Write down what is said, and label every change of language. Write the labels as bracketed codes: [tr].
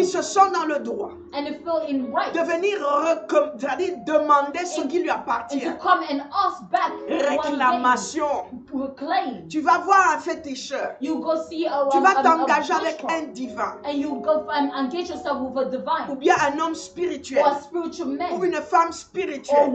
[fr] qui se sent dans le droit [en] and feel in right, [fr] de venir demander ce qui lui appartient. [en] And to come and ask back [fr] réclamation. [en] Reclaim. [fr] Tu vas voir un féticheur. [en] You go see a, [fr] tu vas t'engager avec un divin. [en] And you go, engage yourself with a divine. [fr] Ou bien un homme spirituel. [en] Or a spiritual man. [fr] Ou une femme spirituelle.